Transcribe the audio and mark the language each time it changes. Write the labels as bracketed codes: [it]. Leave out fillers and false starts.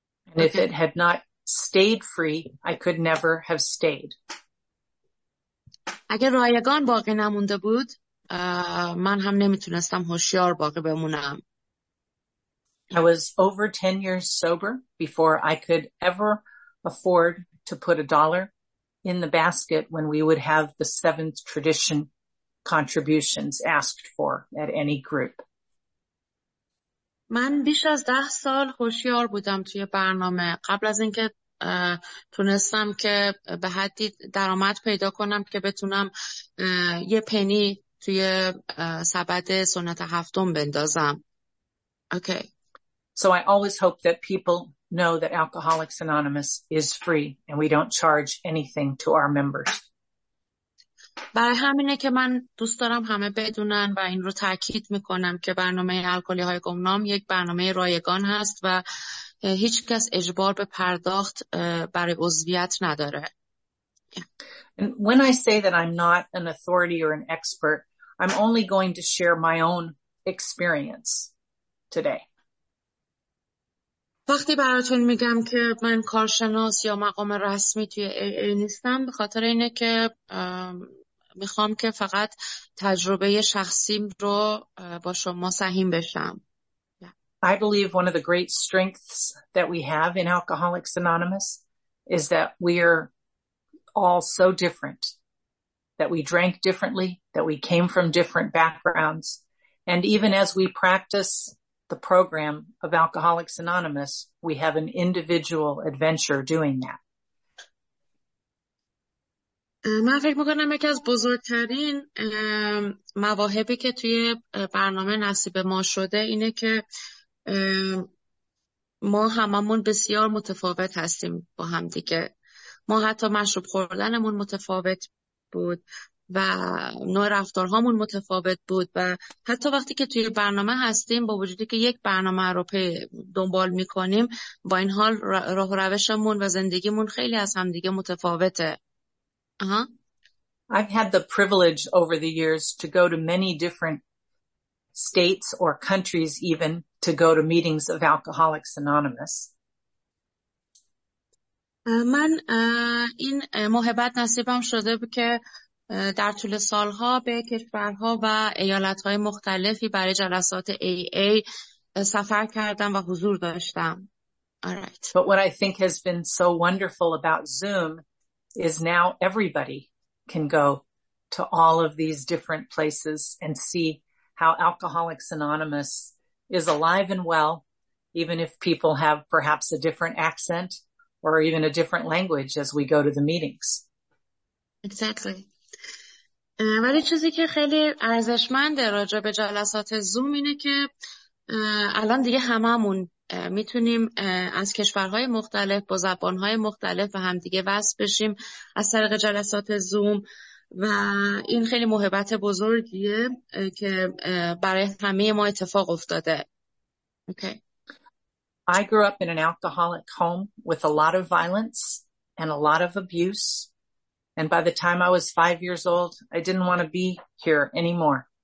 [en] And if it had not stayed free, I could never have stayed. [fa] اگه رایگان باقی نمونده بود، من هم نمیتونستم هوشیار باقی بمونم. [en] I was over 10 years sober before I could ever afford to put a dollar in the basket when we would have the seventh tradition contributions asked for at any group. [fa] من بیش از 10 سال هوشیار بودم توی برنامه قبل از اینکه تونستم که به حدی درآمد پیدا کنم که بتونم یه پنی توی سبد سنت هفتم بندازم. [en] Okay. So I always hope that people know that Alcoholics Anonymous is free and we don't charge anything to our members. [fa] برای همینه که من دوست دارم همه بدونن و این رو تاکید میکنم که برنامه الکلی های گمنام یک برنامه رایگان هست و هیچ کس اجبار به پرداخت برای عضویت نداره. [en] And when I say that I'm not an authority or an expert, I'm only going to share my own experience today. [fa] وقتی براتون میگم که من کارشناس یا مقام رسمی توی AA نیستم به خاطر اینه که میخوام که فقط تجربه شخصیم رو با شما سهیم بشم. [en] I believe one of the great strengths that we have in Alcoholics Anonymous is that we are all so different, that we drank differently, that we came from different backgrounds, and even as we practice the program of Alcoholics Anonymous, we have an individual adventure doing that. [fa] من فکر میکنم یکی از بزرگترین مواهبی که توی برنامه نصیب ما شده اینه که ما هممون بسیار متفاوت هستیم با هم دیگه. ما حتی مشروب خوردنمون متفاوت بود و نوع رفتارهامون متفاوت بود و حتی وقتی که توی برنامه هستیم با وجودی که یک برنامه رو دنبال میکنیم با این حال راه و روشمون و زندگیمون خیلی از هم دیگه متفاوته. [en] I've had the privilege over the years to go to many different states or countries even to go to meetings of Alcoholics Anonymous. [fa] من این موهبت نصیبم شده که در طول سالها به کشورها و ایالتهای مختلفی برای جلسات AA سفر کردم و حضور داشتم. [en] All right. But what I think has been so wonderful about Zoom is now everybody can go to all of these different places and see how Alcoholics Anonymous is alive and well, even if people have perhaps a different accent or even a different language as we go to the meetings. Exactly. [fa] ولی چیزی که خیلی ارزشمنده راجع به جلسات زوم اینه که الان دیگه هممون میتونیم از کشورهای مختلف با زبانهای مختلف و همدیگه وصل بشیم از طریق جلسات زوم و این خیلی موهبت بزرگیه که برای همه ما اتفاق افتاده. [en] Okay. I grew up in an alcoholic home with a lot of violence and a lot of abuse. And by the time I was 5 years old, I didn't want to be here anymore.